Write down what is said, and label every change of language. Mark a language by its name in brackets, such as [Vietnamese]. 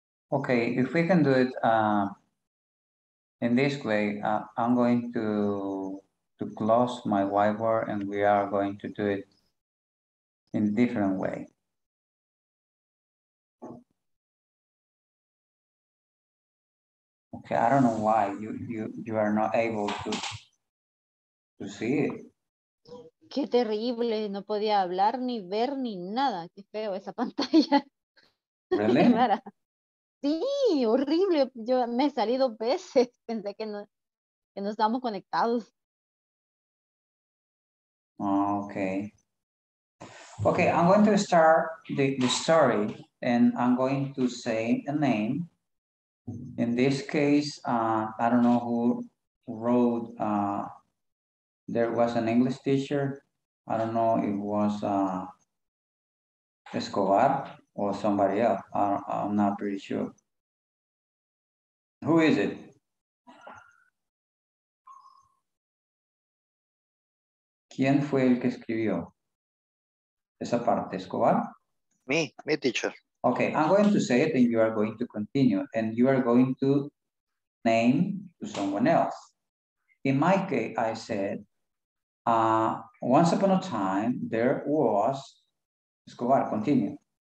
[English] Okay, if we can do it in this way, I'm going to close my whiteboard and we are going to do it in a different way. Okay, I don't know why you are not able to see it. [Spanish] Qué terrible, no podía hablar ni ver ni nada. Qué feo esa pantalla. [English] Really? [Spanish] Sí, horrible. Yo me he salido veces. Pensé que no estábamos conectados. [English] Okay. Okay, I'm going to start the story and I'm going to say a name. In this case, I don't know who wrote, there was an English teacher. I don't know if it was Escobar or somebody else. I'm not pretty sure. Who is it? [Spanish] ¿Quién fue el que escribió esa parte, Escobar? [English] Me, teacher. Okay, I'm going to say it and you are going to continue and you are going to name to someone else. In my case, I said, once upon a time, there was, Escobar, continue.